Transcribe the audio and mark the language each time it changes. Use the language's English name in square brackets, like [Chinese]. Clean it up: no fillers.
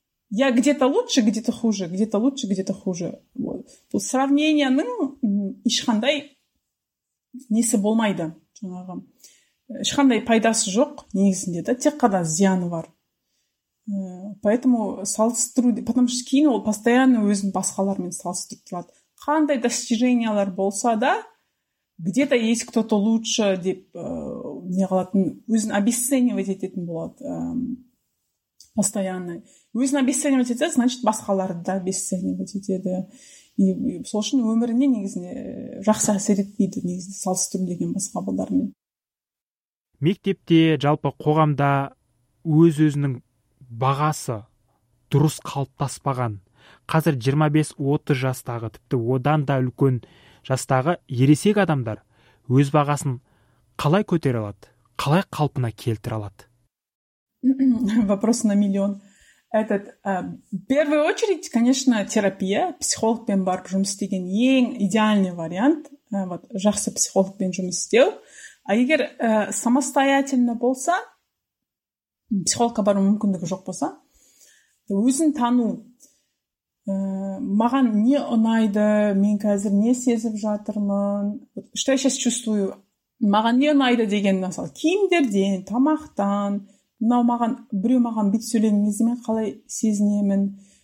[Russian] Я где-то лучше, где-то хуже, где-то лучше, где-то хуже. Вот. [Kazakh] Бұл сравнениенің ешқандай несі болмайды. Ешқандай пайдасы жоқ негізінде, да, тек қана зияны бар. [Russian] Поэтому [Kazakh] салыстыру, [Russian] потому что [Kazakh] кейін ол [Russian] постоянно [Kazakh] өзін басқалармен салыстырып тұрады. Қандай достижениялар болса да, [Russian] где-то есть кто-то лучше, [Kazakh] деп не қалатын, өзін [Russian] обесценивать [Kazakh] ететін болады. [Russian] Постоянно. [Kazakh] Өзін [Russian] обесценивать [Kazakh] етеді, [Russian] значит, [Kazakh] басқаларды да обесценивать етеді. И сол үшін өміріне негізіне жақсы әсер етпейді негізіне салыстыру деген басқа балдармен. Мектепте, жалпы қоғамда өз-өзінің бағасы дұрыс қалыптаспаған. Қазір 25-30 жастағы, тіпті одан да үлкен жастағы ересек адамдар өз бағасын қалай көтере алады, қалай қалпына келтіре алады? [Russian] Вопрос на миллион. Этот, в первую очередь, конечно, терапия. [Kazakh] Психологпен барып жұмыс істеген ең [Russian] идеальный вариант. [Kazakh] Вот, жақсы психологпен жұмыс істеу. А егер [Russian] самостоятельно [Kazakh] болса, психологқа бару мүмкіндігі жоқ болса, өзін тану. маған не ұнайды, мен қазір не сезіп жатырмын, [Russian] что я сейчас чувствую, [Kazakh] маған не ұнайды деген, мысалы, киімдерден, тамақтан, мынау маған, біреу маған бит сөйлегенде мен қалай сезінемін.